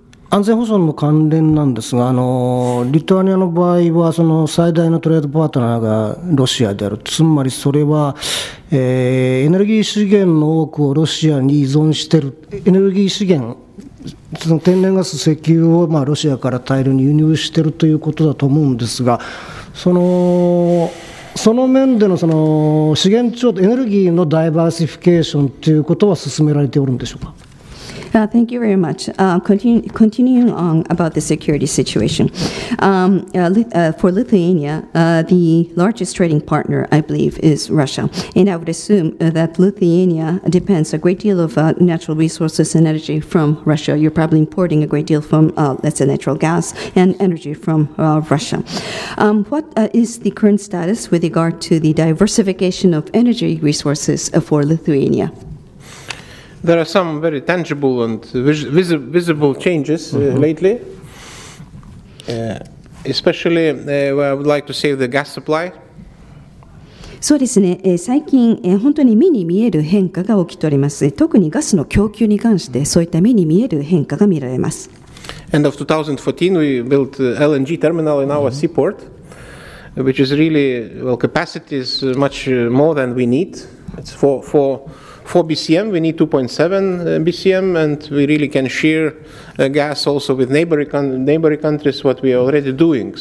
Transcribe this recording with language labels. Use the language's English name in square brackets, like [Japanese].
[Japanese] 安全保障の関連なんですが、リトアニアの場合はその最大のトレードパートナーがロシアである、つまりそれは、エネルギー資源の多くをロシアに依存している、エネルギー資源その天然ガス石油を、まあ、ロシアから大量に輸入しているということだと思うんですが、その面で の, その資源調達、エネルギーのダイバーシフィケーションということは進められておるんでしょうか。 [English] Thank you very much. Continuing on about the security situation. For Lithuania, the largest trading partner, I believe, is Russia. And I would assume that Lithuania depends a great deal of natural resources and energy from Russia. You're probably importing a great deal from, let's say, natural gas and energy from Russia. What is the current status with regard to the diversification of energy resources for Lithuania? There are some very tangible and visible changes lately, especially where I would like to save the gas supply. [Japanese] そうですね。最近、本当に目に見える変化が起きております。特にガスの供給に関して、そういった目に見える変化が見られます。 [English] End of 2014, we built the LNG terminal in our seaport, which is really, well, capacity is much more than we need. It's for4 BCM, we need 2.7 BCM, and we really can share gas also with neighboring countries, what we are already doing.